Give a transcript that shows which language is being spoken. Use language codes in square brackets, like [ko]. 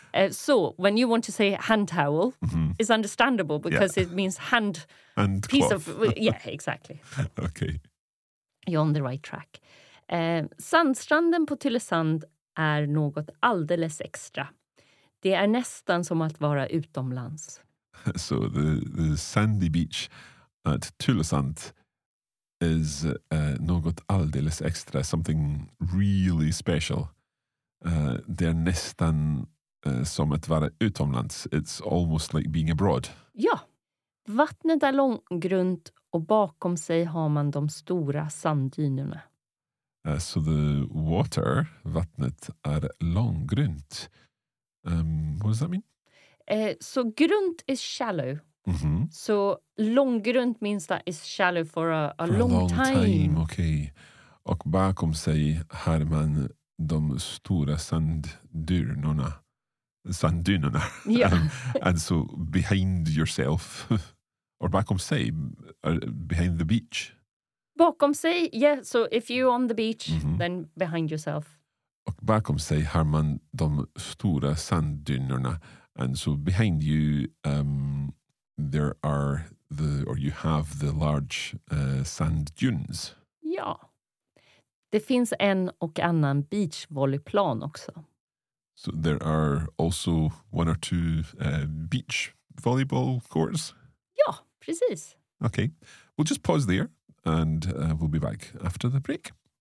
[en] So when you want to say hand towel, it's understandable because it means hand piece cloth. Yeah, exactly. Okay. You're on the right track. [sv] Sandstranden på Tylösand är något alldeles extra. Det är nästan som att vara utomlands. [en] So the sandy beach at Tylösand is [sv] något alldeles extra, [en] something really special. [sv] Det är nästan som att vara utomlands. [en] It's almost like being abroad. [sv] Ja, vattnet är långgrunt och bakom sig har man de stora sanddynerna. [en] So the water, vattnet, [sv] är långgrunt. [en] What does that mean? So grunt is shallow. Mm-hmm. So long grunt means that it's shallow for a long time. Okay. [sv] Och bakom sig har man de stora sanddynerna. Sanddynerna. [en] Yeah. And so behind yourself, or [sv] bakom sig, [en] behind the beach. [sv] Bakom sig, yeah. [en] So if you're on the beach, then behind yourself. [sv] Och bakom sig har man de stora sanddynerna. [en] And so behind you, there are the, or you have the large sand dunes. [sv] Ja. Det finns en och annan beachvolleyplan också. [en] So there are also one or two beach volleyball courts? [sv] Ja, precis. [en] Okay. We'll just pause there and we'll be back after the break.